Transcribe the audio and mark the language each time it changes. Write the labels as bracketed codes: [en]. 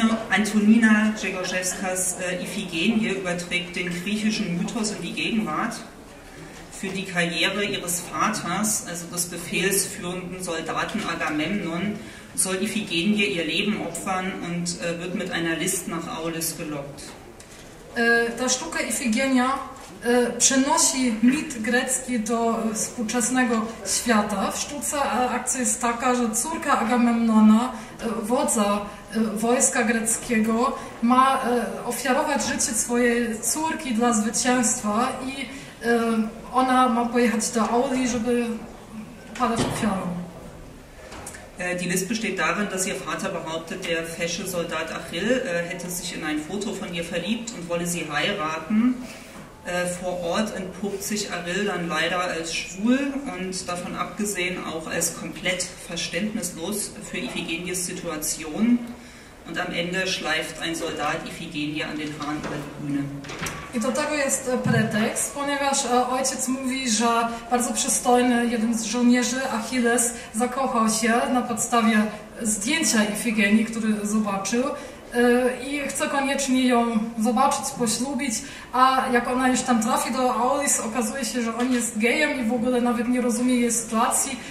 [de] Antonina Grzegorzewskas Iphigenie überträgt den griechischen Mythos in die Gegenwart. Für die Karriere ihres Vaters, also des befehlsführenden Soldaten Agamemnon, soll Iphigenie ihr Leben opfern und wird mit einer List nach Aulis gelockt. [pl] ta sztuka Ifigenia przenosi mit grecki do współczesnego świata. W sztuce akcja jest taka, że córka Agamemnona, wodza wojska greckiego, ma ofiarować życie swojej córki dla zwycięstwa i ona ma pojechać do Auli, żeby padać ofiarą. [de] Die List besteht darin, dass ihr Vater behauptet, der fesche Soldat Achill hätte sich in ein Foto von ihr verliebt und wolle sie heiraten. Vor Ort entpuppt sich Achill dann leider als schwul und davon abgesehen auch als komplett verständnislos für Iphigenies Situation. Und am Ende schleift ein Soldat Iphigenie an den Haaren über die Bühne. [pl] I do tego jest pretekst, ponieważ ojciec mówi, że bardzo przystojny jeden z żołnierzy, Achilles, zakochał się na podstawie zdjęcia Ifigenii, który zobaczył i chce koniecznie ją zobaczyć, poślubić, a jak ona już tam trafi do Aulis, okazuje się, że on jest gejem i w ogóle nawet nie rozumie jej sytuacji.